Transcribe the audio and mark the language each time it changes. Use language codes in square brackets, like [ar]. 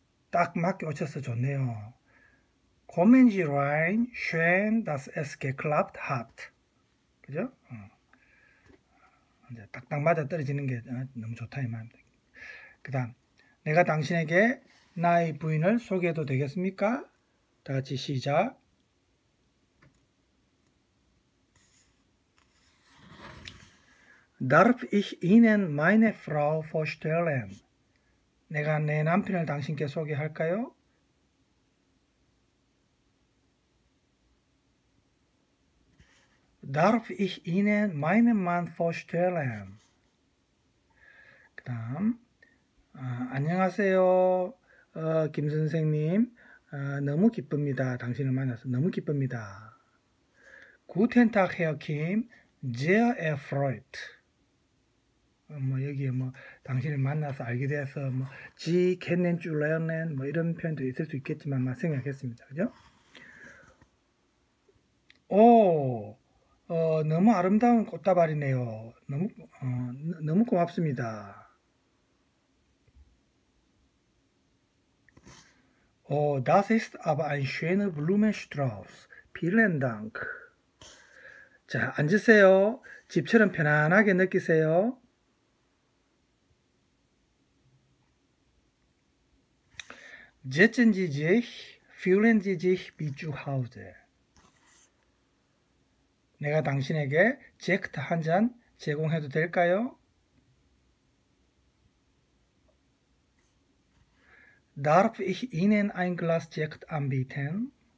[ko] 딱 맞게 오셔서 좋네요. [de] Kommen Sie rein, schön, dass es geklappt hat. [ko] 그죠? 이제 딱딱 맞아 떨어지는 게 너무 좋다 이 말입니다. 그다음 내가 당신에게 나의 부인을 소개해도 되겠습니까? 다 같이 시작. [de] Darf ich Ihnen meine Frau vorstellen? [ko] 내가 내 남편을 당신께 소개할까요? [de] Darf ich Ihnen meinen Mann vorstellen? [ko] 그 다음, 안녕하세요, 김 선생님. 너무 기쁩니다. 당신을 만나서 너무 기쁩니다. [de] Guten Tag, Herr Kim. Sehr erfreut. [ko] 여기에 당신을 만나서 알게 돼서, [de] Sie kennen Sie lernen, [ko] 이런 표현도 있을 수 있겠지만, 생각했습니다. 그죠? 오! 너무 아름다운 꽃다발이네요. 너무 고맙습니다. [de] Oh, das ist aber ein schöner Blumenstrauß. Vielen Dank. [ko] 자, 앉으세요. 집처럼 편안하게 느끼세요. [de] Setzen Sie sich, fühlen Sie sich wie zu Hause. [ko] 내가 당신에게 제크트 한 잔 제공해도 될까요? [de] Darf ich Ihnen ein Glas Sekt anbieten?